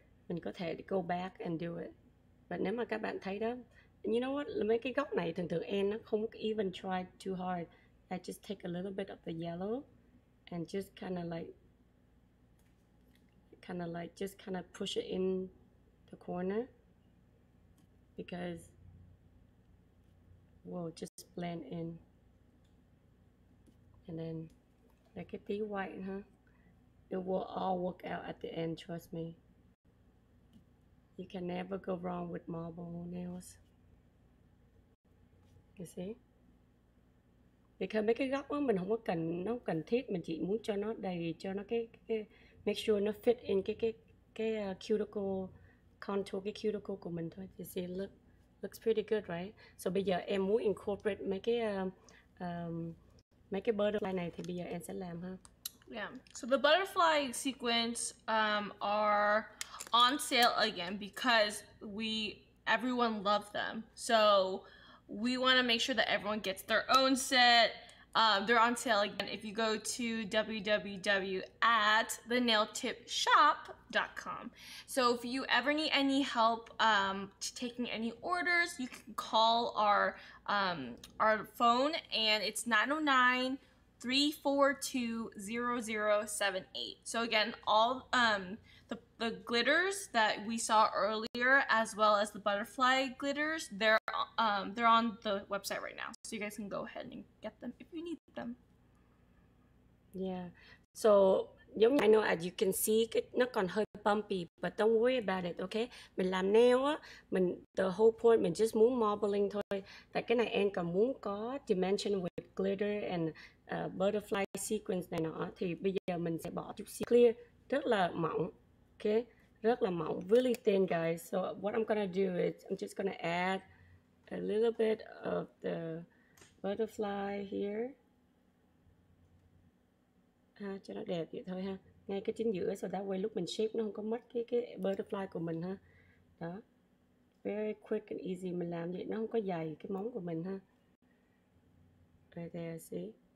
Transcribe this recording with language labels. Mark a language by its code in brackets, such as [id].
[vi] Mình có thể [en] go back and do it. But [vi] nếu mà các bạn thấy đó, [en] you know what, [vi] mấy cái góc này thường thường em nó không [en] even try too hard. I just take a little bit of the yellow and just kind of like just kind of push it in the corner, because we'll just blend in. And then let it be white, huh? It will all work out at the end, trust me. You can never go wrong with marble nails. You see? [vi] Because mấy cái góc đó mình không có cần, nó không cần thiết, mình chỉ muốn cho nó đầy, cho nó cái [en] make sure [vi] nó [en] fit in [vi] cái cuticle contour, cái cuticle của mình thôi. [en] You see, looks pretty good, right? [vi] So bây giờ em muốn incorporate mấy cái butterfly này thì bây giờ em sẽ làm ha. [en] Yeah. So the butterfly sequins are on sale again because everyone loves them. So we want to make sure that everyone gets their own set. They're on sale again. If you go to www.thenailtipshop.com. So if you ever need any help to taking any orders, you can call our phone, and it's 909-342-0078. So again, all the glitters that we saw earlier, as well as the butterfly glitters, they're on the website right now. So you guys can go ahead and get them if you need them. Yeah. So [vi] giống như [en] I know, as you can see, [vi] nó còn hơi [en] bumpy, but don't worry about it, okay? [vi] Mình làm nail á, mình [en] the whole point [vi] mình just muốn marbling thôi. Tại cái này em còn muốn có dimension [en] with glitter and butterfly sequins [vi] này nọ, thì bây giờ mình sẽ bỏ chút xíu clear rất là mỏng, okay? Rất là mỏng, [en] really thin, guys. So what I'm gonna do is I'm just gonna add a little bit of the butterfly here. [vi] Ha, cho nó đẹp vậy thôi ha. Ngay cái chính giữa, [en] so that way [vi] lúc mình shape nó không có mất cái butterfly của mình ha. Đó. [en] Very quick and easy [vi] mình làm vậy, nó không có dày cái móng của mình ha. [en] Right there, see?